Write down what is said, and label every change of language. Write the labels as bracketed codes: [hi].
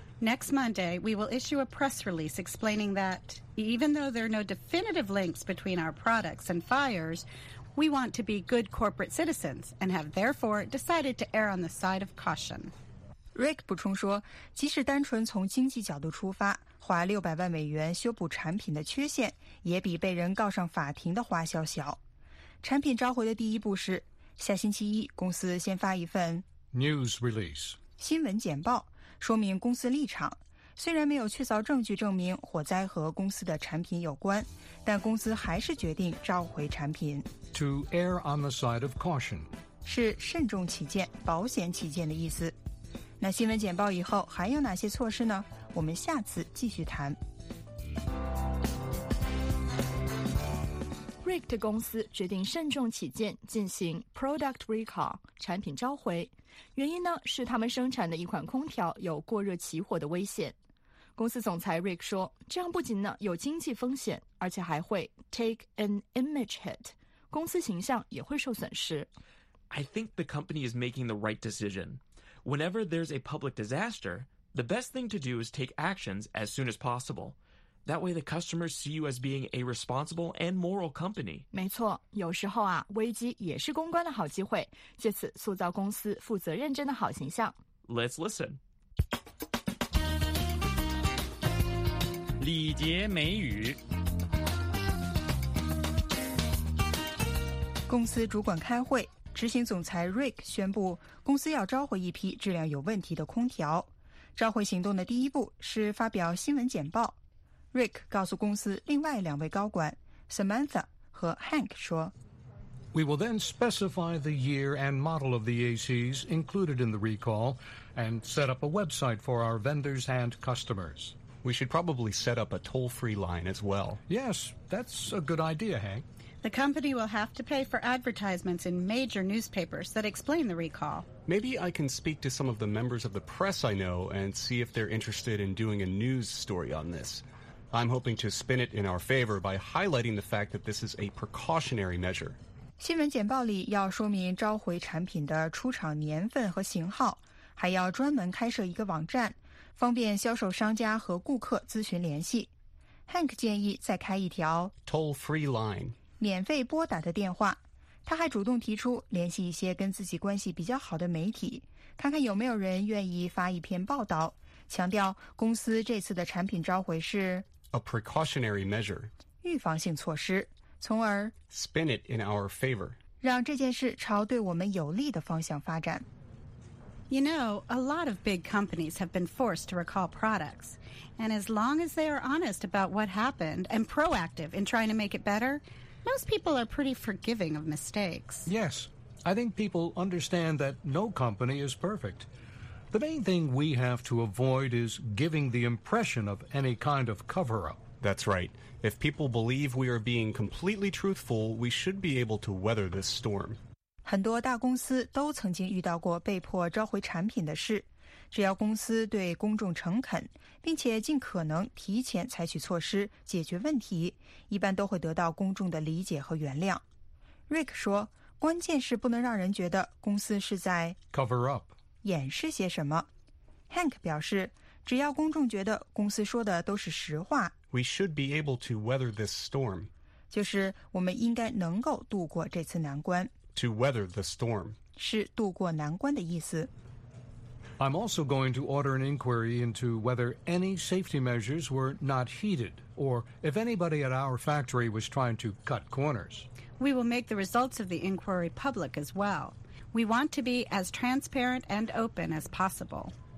[en] Next Monday, we will issue a press release explaining that even though there are no definitive links between our products and fires, we want to be good corporate citizens and have therefore decided to err on the side of caution. [zh] Rick 补充说，即使单纯从经济角度出发，花$6,000,000修补产品的缺陷，也比被人告上法庭的花销小。产品召回的第一步是，下星期一公司先发一份 [en] news release [zh] 新闻简报，说明公司立场。虽然没有确凿证据证明火灾和公司的产品有关，但公司还是决定召回产品。 [en] To err on the side of caution [zh] 是慎重起见、保险起见的意思。那新闻简报以后还有哪些措施呢？我们下次继续谈。 Rick 的公司决定慎重起见，进行 [en] product recall [zh] 产品召回，原因呢是他们生产的一款空调有过热起火的危险。公司总裁 Rick 说，这样不仅呢有经济风险，而且还会 [en] take an image hit， [zh] 公司形象也会受损失。 [en] I think the company is making the right decision. Whenever there's a public disaster, the best thing to do is take actions as soon as possible. That way the customers see you as being a responsible and moral company. [zh] 没错，有时候啊，危机也是公关的好机会，借此塑造公司负责认真的好形象。 [en] Let's listen. [zh] 礼节美语。公司主管开会。执行总裁 Rick 宣布公司要召回一批质量有问题的空调。召回行动的第一步是发表新闻简报。Rick 告诉公司另外两位高管 Samantha 和 Hank 说 [en] We will then specify the year and model of the ACs included in the recall and set up a website for our vendors and customers. We should probably set up a toll-free line as well. Yes, that's a good idea, Hank. The company will have to pay for advertisements in major newspapers that explain the recall. Maybe I can speak to some of the members of the press I know and see if they're interested in doing a news story on this. I'm hoping to spin it in our favor by highlighting the fact that this is a precautionary measure. [zh] 新闻简报里要说明召回产品的出厂年份和型号，还要专门开设一个网站，方便销售商家和顾客咨询联系。 Hank 建议再开一条 [en] toll-free line. [zh] 免费拨打的电话，他还主动提出联系一些跟自己关系比较好的媒体，看看有没有人愿意发一篇报道，强调公司这次的产品召回是 [en] a precautionary measure， [zh] 预防性措施，从而 [en] spin it in our favor， [zh] 让这件事朝对我们有利的方向发展。 [en] You know, a lot of big companies have been forced to recall products. And as long as they are honest about what happened and proactive in trying to make it better,Most people are pretty forgiving of mistakes. Yes, I think people understand that no company is perfect. The main thing we have to avoid is giving the impression of any kind of cover-up. That's right. If people believe we are being completely truthful, we should be able to weather this storm. [zh] 很多大公司都曾经遇到过被迫召回产品的事。只要公司对公众诚恳，并且尽可能提前采取措施解决问题，一般都会得到公众的理解和原谅。瑞克说，关键是不能让人觉得公司是在 [en] cover up [zh] 掩饰些什么。 Hank 表示，只要公众觉得公司说的都是实话， [en] We should be able to weather this storm. [zh] 就是我们应该能够度过这次难关。 [en] To weather the storm. [zh] 是度过难关的意思。 [en] I'm also going to order an inquiry into whether any safety measures were not heeded, or if anybody at our factory was trying to cut corners. We will make the results of the inquiry public as well. We want to be as transparent and open as possible.